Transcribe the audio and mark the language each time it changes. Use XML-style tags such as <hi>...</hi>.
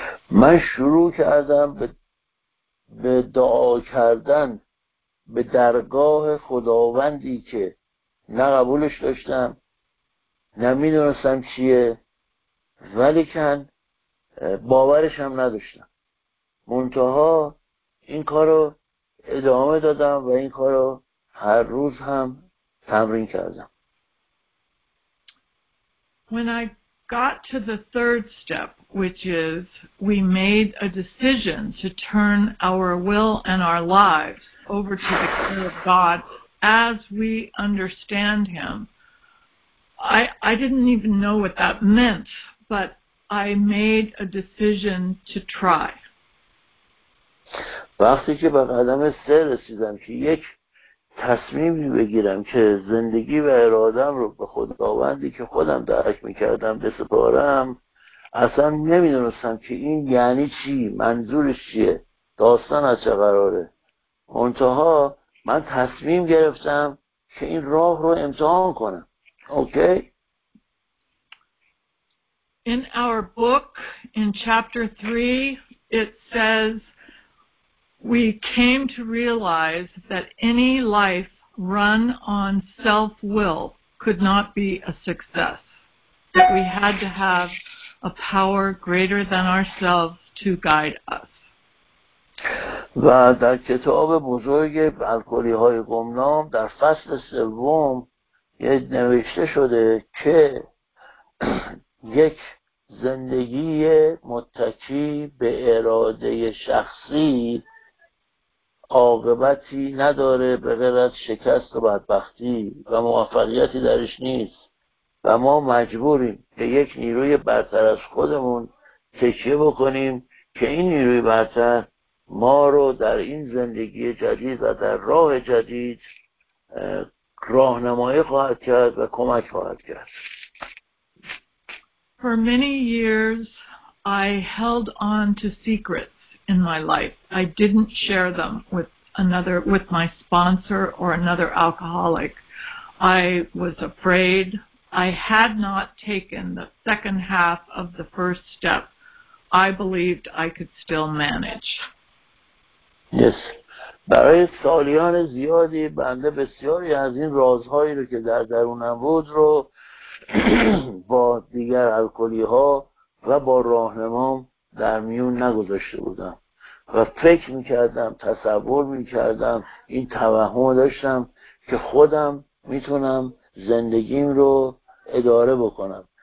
<fa>من شروع کردم به دعا کردن به درگاه خداوندی که نه قبولش داشتم نه میدونستم چیه، ولی کن باورش هم نداشتم، منتها این کارو ادامه دادم و این کارو هر روز هم تمرین کردم.</fa> <en>When I got to the third step, which is we made a decision to turn our will and our lives over to the care of God as we understand him. I didn't even know what that meant, but I made a decision to try.</en> <fa>وقتی که به قدم سه رسیدم که یک تصمیمی بگیرم که زندگی و ارادم رو به خداوندی که خودم درک میکردم بسپارم، اصلا نمیدونستم که این یعنی چی، منظورش چیه، داستان از چه قراره، منتها من تصمیم گرفتم که این راه رو امتحان کنم.</fa> <en>Okay? In our book, in chapter 3, it says we came to realize that any life run on self-will could not be a success, that we had to have a power greater than ourselves to guide us.</en> <fa>و در کتاب بزرگ الکلی های گمنام در فصل سوم یه نوشته شده که یک زندگی متکی به اراده شخصی عاقبتی نداره به غیر از شکست و بدبختی و موفقیتی درش نیست و ما مجبوریم به یک نیروی برتر از خودمون تکیه بکنیم که این نیروی برتر ما رو در این زندگی جدید و در راه جدید راهنمایی خواهد کرد و کمک خواهد کرد.</fa> <en>Our For many years, I held on to secrets in my life. I didn't share them with another, with my sponsor or another alcoholic. I was afraid. I had not taken the second half of the first step. I believed I could still manage. Yes.</en> <fa>برای سالیان زیادی بنده بسیاری از این رازهایی رو که در درونم بود رو با دیگر الکلی ها و با راهنمام در میون نگذاشته بودم و فکر میکردم، تصور میکردم، این توهم داشتم که خودم میتونم زندگیم رو اداره بکنم.</fa>